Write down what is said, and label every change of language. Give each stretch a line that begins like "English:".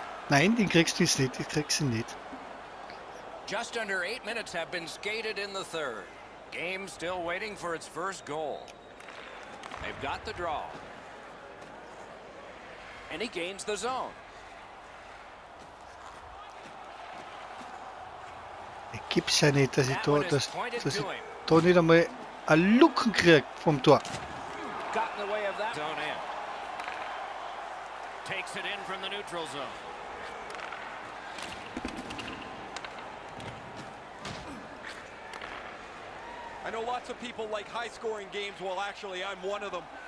German: Nein, den kriegst du jetzt nicht, den kriegst du nicht.
English: Just under 8 minutes have been skated in the third. Game still waiting for its first goal. They've got the draw. And he gains the zone.
German: Ich gib's ja nicht, dass ich da nicht einmal a Lucken krieg vom Tor.
English: Got in the way of that zone in. Takes it in from the neutral zone. I know lots of people like high scoring games. Well, actually, I'm one of them.